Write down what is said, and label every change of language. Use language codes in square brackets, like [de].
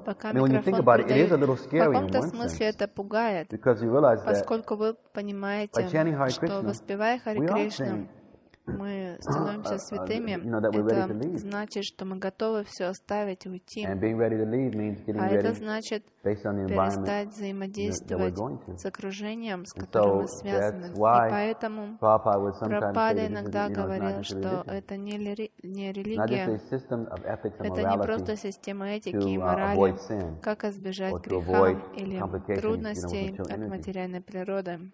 [en] When you think about it, it is a little scary in one sense. Because you realize that by chanting Hare Krishna, we are saying, that we're ready to leave. [ru] Это значит, что мы готовы все оставить, уйти. [en] And being ready to leave means getting ready, based on the environment that we're going to. [ru] А это значит взаимодействовать с окружением, с которым мы связаны. И поэтому Прабхупада иногда говорил, что это не религия. Это не просто система этики и морали, как избежать грехов или трудностей от материальной природы.